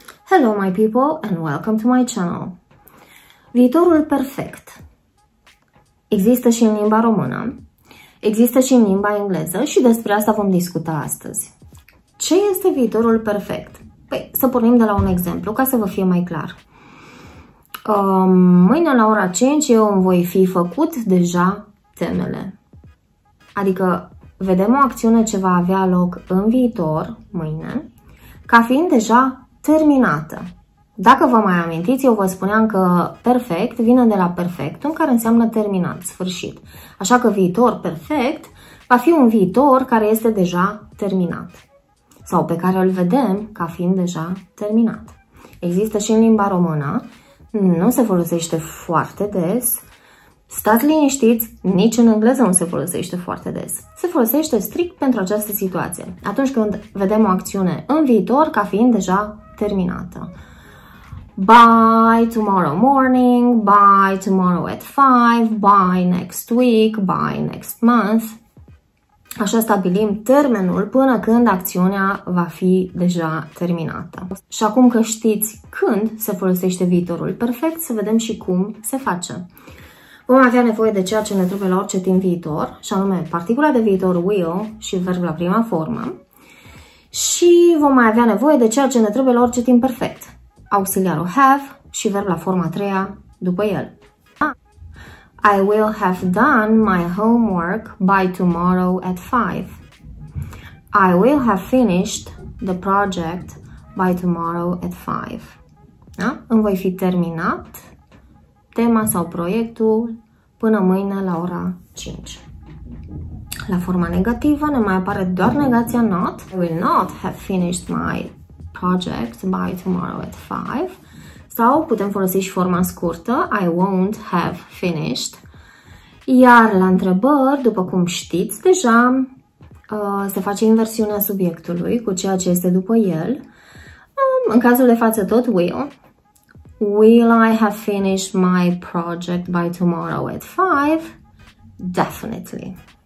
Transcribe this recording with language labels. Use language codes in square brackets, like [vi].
[en] Hello my people and welcome to my channel. [ro] Viitorul perfect. Există și în limba română, există și în limba engleză și despre asta vom discuta astăzi. Ce este viitorul perfect? Păi, să pornim de la un exemplu ca să vă fie mai clar. Mâine la ora 5 eu îmi voi fi făcut deja temele. Adică vedem o acțiune ce va avea loc în viitor, mâine, ca fiind deja terminată. Dacă vă mai amintiți, eu vă spuneam că perfect vine de la perfectum, care înseamnă terminat, sfârșit. Așa că viitor perfect va fi un viitor care este deja terminat sau pe care îl vedem ca fiind deja terminat. Există și în limba română, nu se folosește foarte des. Stați liniștiți, nici în engleză nu se folosește foarte des. Se folosește strict pentru această situație, atunci când vedem o acțiune în viitor ca fiind deja terminată. [en] By tomorrow morning, by tomorrow at 5, by next week, by next month. [ro] Așa stabilim termenul până când acțiunea va fi deja terminată. Și acum că știți când se folosește viitorul perfect, să vedem și cum se face. Vom avea nevoie de ceea ce ne trebuie la orice timp viitor, și anume particula de viitor will și verb la prima formă. Și vom mai avea nevoie de ceea ce ne trebuie la orice timp perfect, auxiliarul have și verb la forma a treia după el. [en] I will have done my homework by tomorrow at 5. I will have finished the project by tomorrow at 5. [ro] Da? Îmi voi fi terminat tema sau proiectul până mâine la ora 5. La forma negativă ne mai apare doar negația not. [en] I will not have finished my project by tomorrow at 5. [ro] Sau putem folosi și forma scurtă, [en] I won't have finished. [ro] Iar la întrebări, după cum știți deja, se face inversiunea subiectului cu ceea ce este după el. În cazul de față tot will. [en] Will I have finished my project by tomorrow at 5? Definitely.